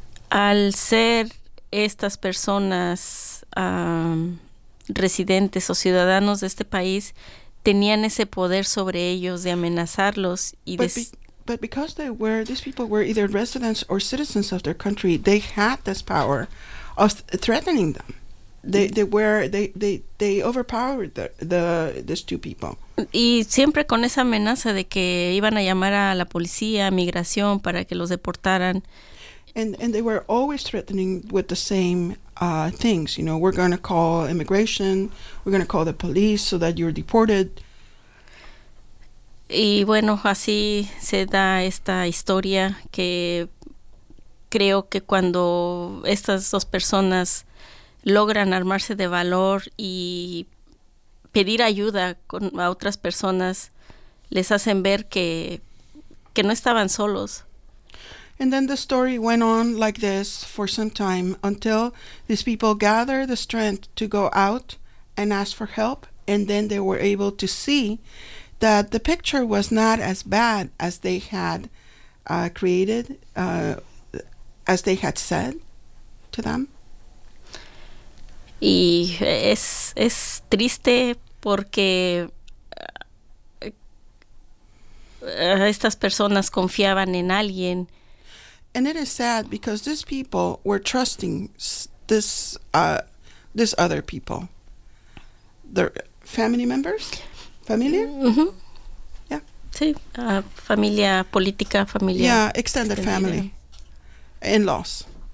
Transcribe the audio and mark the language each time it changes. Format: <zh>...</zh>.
<es>Al ser estas personas residentes o ciudadanos de este país tenían ese poder sobre ellos de amenazarlos y</es> <en>but because they were, these people were either residents or citizens of their country, they had this power of threatening them. They overpowered these two people.</en> <es>Y siempre con esa amenaza de que iban a llamar a la policía, a migración, para que los deportaran.</es> <en>And they were always threatening with the same things. You know, we're going to call immigration, we're going to call the police so that you're deported.</en> <es>Y bueno, así se da esta historia que creo que cuando estas dos personas logran armarse de valor y pedir ayuda con, a otras personas, les hacen ver que no estaban solos.</es> <en>And then the story went on like this for some time until these people gathered the strength to go out and ask for help, and then they were able to see that the picture was not as bad as they had created, as they had said to them.</en> <es>Y es triste porque estas personas confiaban en alguien.</es> <en>And it is sad because these people were trusting this other people. Their family members? Familia? Mm-hmm.</en> <es>Sí, familia política, familia.</es> <en>Yeah, extended family, in-laws.</en>